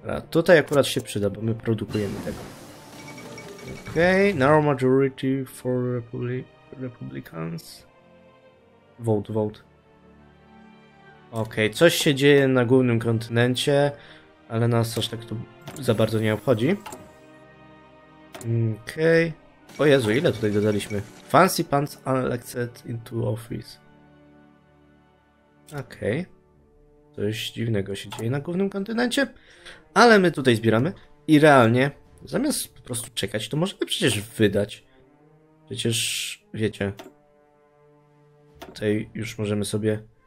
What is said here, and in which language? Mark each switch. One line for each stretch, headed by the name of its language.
Polish: Tutaj akurat się przyda, bo my produkujemy tego. Okej,
English: narrow majority for Republicans. Vote.
Polish: Okej, coś się dzieje na głównym kontynencie, ale nas aż tak to za bardzo nie obchodzi. Okej. O Jezu, ile tutaj dodaliśmy?
English: Fancy pants unelected into office.
Polish: Okej. Coś dziwnego się dzieje na głównym kontynencie. Ale my tutaj zbieramy. I realnie, zamiast po prostu czekać, to możemy przecież wydać. Przecież, wiecie. Tutaj już możemy sobie...